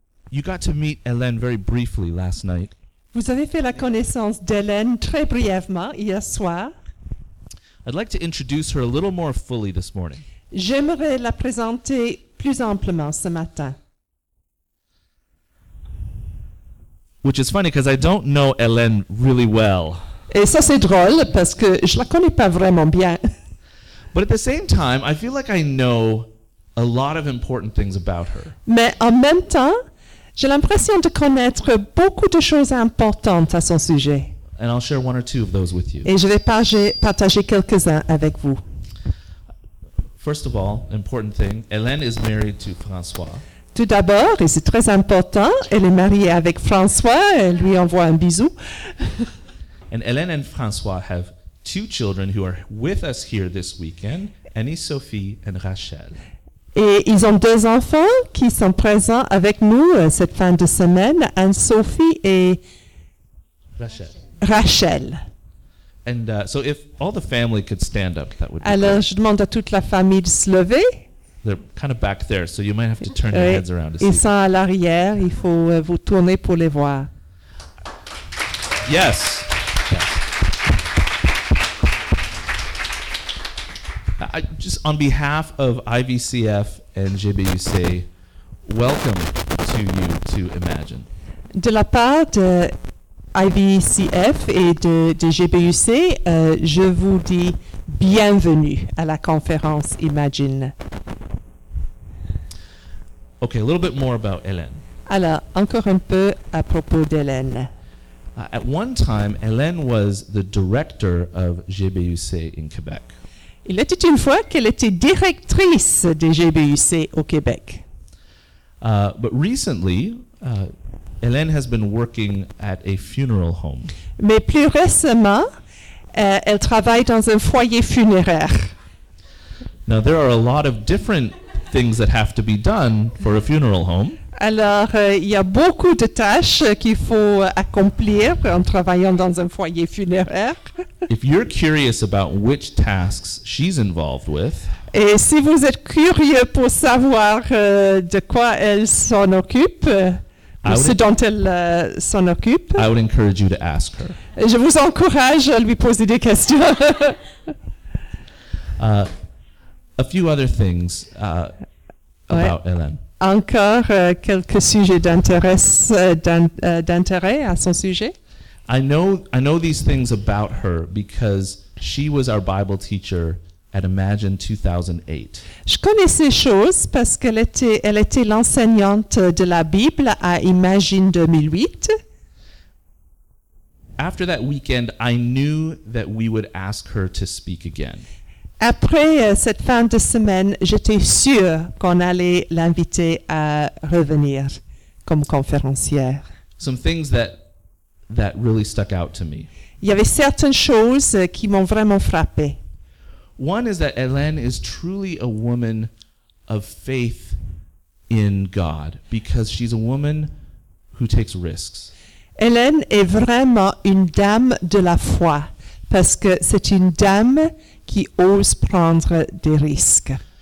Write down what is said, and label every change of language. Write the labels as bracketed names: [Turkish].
[English] You got to meet Hélène very briefly last night. [French] Vous avez fait la connaissance d'Hélène très brièvement hier soir. [English] I'd like to introduce her a little more fully this morning. [French] J'aimerais la présenter plus amplement ce matin. [English] Which is funny because I don't know Hélène really well. [French] Et ça c'est drôle parce que je la connais pas vraiment bien. [English] But at the same time, I feel like I know a lot of important things about her. [French] Mais en même temps, j'ai l'impression de connaître beaucoup de choses importantes à son sujet. [English] And I'll share one or two of those with you. [French] Et je vais partager quelques-uns avec vous. [English] First of all, important thing, Hélène is married to François. [French] Tout d'abord, et c'est très important, elle est mariée avec François, elle lui envoie un bisou. [English] And Hélène and François have two children who are with us here this weekend, Annie-Sophie and Rachel. [French] Et ils ont deux enfants qui sont présents avec nous cette fin de semaine, Anne-Sophie et Rachel. [English] And so if all the family could stand up, that would be [French] Alors, [English] great. [French] Je demande à toute la famille de se lever. [English] They're kind of back there, so you might have to turn your heads around to see. [French] Ils sont à l'arrière, il faut vous tourner pour les voir. [English] Yes. I just on behalf of IVCF and JBUC, welcome to you to Imagine. [French] De la part de IVCF et de JBUC, je vous dis bienvenue à la conférence Imagine. [English] Okay, a little bit more about Hélène. [French] Alors, encore un peu à propos d'Hélène. [English] At one time, Hélène was the director of JBUC in Quebec. [French] Il était une fois qu'elle était directrice des GBUC au Québec. [English] But recently, Hélène has been working at a funeral home. [French] Mais plus récemment, elle travaille dans un foyer funéraire. [English] Now there are a lot of different things that have to be done for a funeral home. [French] Alors, il y a beaucoup de tâches qu'il faut accomplir en travaillant dans un foyer funéraire. [English] If you're curious about which tasks she's involved with, [French] et si vous êtes curieux pour savoir de quoi elle s'en occupe, ou ce dont elle s'en occupe, [English] I would encourage you to ask her. [French] Je vous encourage à lui poser des questions. [English] A few other things about Hélène. [French] Encore quelques sujets d'intérêt à son sujet. [English] I know these things about her because she was our Bible teacher at Imagine 2008. [French] Je connais ces choses parce qu'elle était l'enseignante de la Bible à Imagine 2008. [English] After that weekend, I knew that we would ask her to speak again. [French] Après cette fin de semaine, j'étais sûre qu'on allait l'inviter à revenir comme conférencière. [English] Some things that really stuck out to me. [French] Il y avait certaines choses qui m'ont vraiment frappée. [English] One is that Hélène is truly a woman of faith in God because she's a woman who takes risks. [French] Hélène est vraiment une dame de la foi parce que c'est une dame qui ose prendre des risques.